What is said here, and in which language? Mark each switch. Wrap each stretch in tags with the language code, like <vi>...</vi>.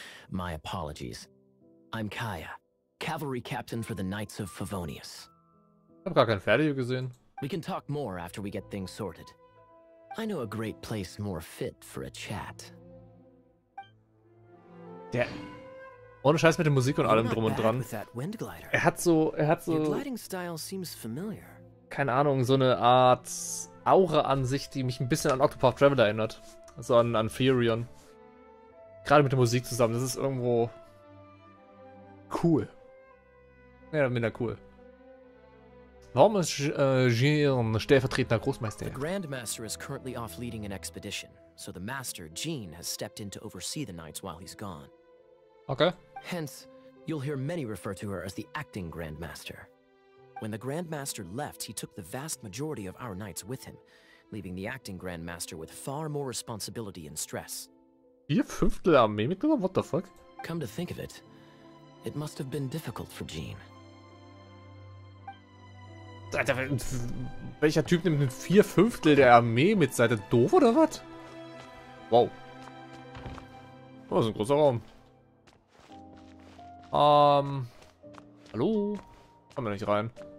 <en>My apologies. I'm Kaya, cavalry captain for the Knights of Favonius.</en> <de>Ich hab gar kein Pferd hier gesehen.</de> <en>We can talk more after we get things sorted. I know a great place more fit for a chat.</en> <de>Der ohne Scheiß mit der Musik und allem drum und dran. Er hat so</de> <en>Your gliding style seems familiar.</en> <de>Keine Ahnung, so eine Art Aura an sich, die mich ein bisschen an Octopath Traveler erinnert, also an Furion. Gerade mit der Musik zusammen, das ist irgendwo cool. Ja, mega cool. Warum ist Jean stellvertretender Großmeister?</de> <en>The Grand Master is currently off leading an expedition, so the Master, Jean, has stepped in to oversee the Knights while he's gone. Okay. Hence, you'll hear many refer to her as the acting Grand Master. When the Grand Master left, he took the vast majority of our Knights with him, leaving the acting Grand Master with far more responsibility and stress.</en> <de>Vier Fünftel Armee mitgenommen?</de> <en>What the fuck? Come to think of it, it must have been difficult for Jean.</en> <de>Alter, welcher Typ nimmt ein 4/5 der Armee mit? Seid ihr doof oder was? Wow. Oh, das ist ein großer Raum. Hallo? Kommen wir nicht rein.</de>